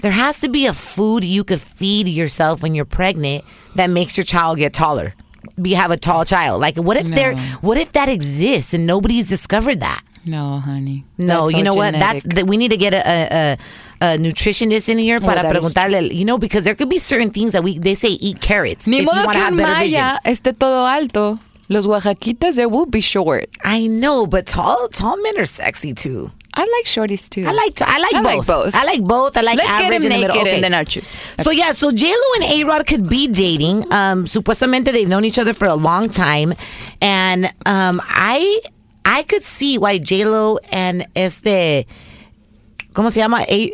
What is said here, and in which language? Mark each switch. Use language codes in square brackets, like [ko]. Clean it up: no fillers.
[en] There has to be a food you could feed yourself when you're pregnant that makes your child get taller. We have a tall child. Like, what if that exists and nobody's discovered that? No, honey. No, you know genetic. What? We need to get a nutritionist in here para preguntarle, you know, because there could be certain things that they say eat carrots. [es] Ni modo que en Maya esté todo alto. [en] Los oaxaquitas, they will be short. I know, but tall men are sexy too. I like shorties too. I like both. I like Let's average get him in the naked middle. Okay. And then I'll choose. Okay. So yeah, so J-Lo and A-Rod could be dating. Supuestamente they've known each other for a long time. And I could see why J-Lo and ¿cómo se llama?